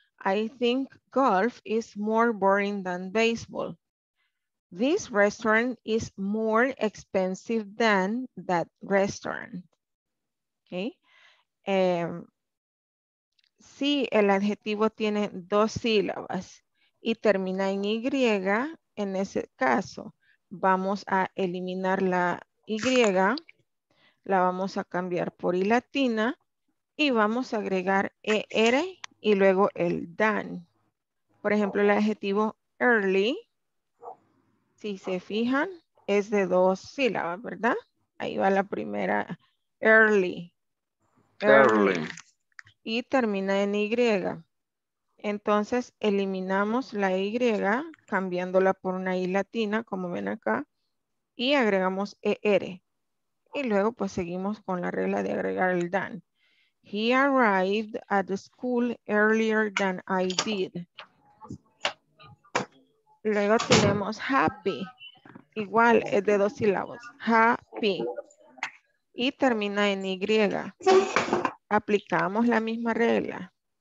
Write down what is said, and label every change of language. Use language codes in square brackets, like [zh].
[en] I think golf is more boring than baseball. This restaurant is more expensive than that restaurant. Okay. [es] Si el adjetivo tiene dos sílabas y termina en Y, en ese caso vamos a eliminar la Y, la vamos a cambiar por I latina y vamos a agregar ER y luego el than. Por ejemplo, el adjetivo early, si se fijan, es de dos sílabas, ¿verdad? Ahí va la primera, early. [en] Early. [es] Y termina en Y. Entonces eliminamos la Y cambiándola por una I latina, como ven acá, y agregamos ER. Y luego pues seguimos con la regla de agregar el than. [en] He arrived at the school earlier than I did. [es] Luego tenemos happy. Igual es de dos sílabos. Happy. Y termina en Y. Aplicamos la misma regla.